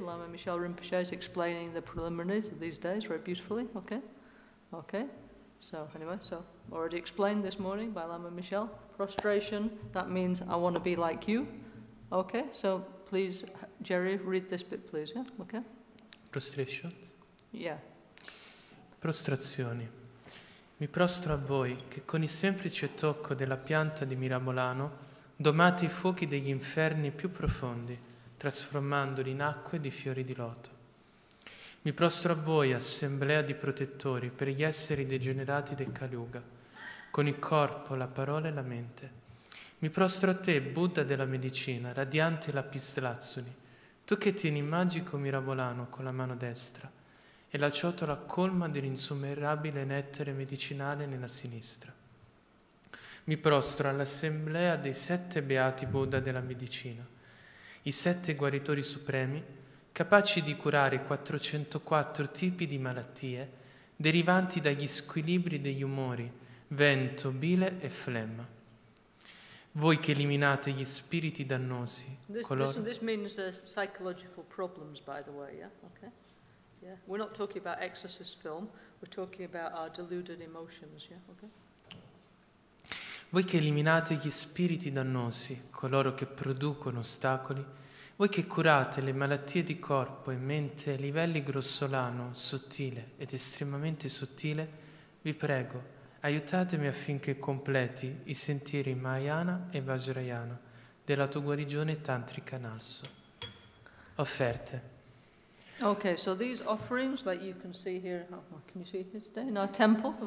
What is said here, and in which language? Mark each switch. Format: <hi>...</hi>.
<en>Lama Michel Rinpoche is explaining the preliminaries of these days very beautifully. Okay. So already explained this morning by Lama Michel. Prostration, that means I want to be like you. Okay, so please, Jerry, read this bit, please, yeah, okay? Prostration? Yeah.</en> <it>Prostrazioni. Mi prostro a voi, che con il semplice tocco della pianta di Mirabolano domate i fuochi degli inferni più profondi, trasformandoli in acque di fiori di loto. Mi prostro a voi, assemblea di protettori, per gli esseri degenerati del Kaliuga, con il corpo, la parola e la mente. Mi prostro a te, Buddha della medicina, radiante lapislazzuli, tu che tieni magico mirabolano con la mano destra e la ciotola colma dell'insummerabile nettere medicinale nella sinistra. Mi prostro all'assemblea dei sette beati Buddha della medicina, i sette guaritori supremi, capaci di curare 404 tipi di malattie derivanti dagli squilibri degli umori, vento, bile e flemma. Voi che eliminate gli spiriti dannosi.</it> <en>This means psychological problems, by the way, yeah? Okay. Yeah. We're not talking about exorcist film, we're talking about our deluded emotions, yeah? Okay.</en> <it>Voi che eliminate gli spiriti dannosi, coloro che producono ostacoli. Voi che curate le malattie di corpo e mente a livelli grossolano, sottile ed estremamente sottile, vi prego, aiutatemi affinché completi i sentieri Mahayana e Vajrayana della tua guarigione tantrica NgalSo. Offerte.</it> <en>Okay, so these offerings that you can see here, can you see here today in our temple?</en>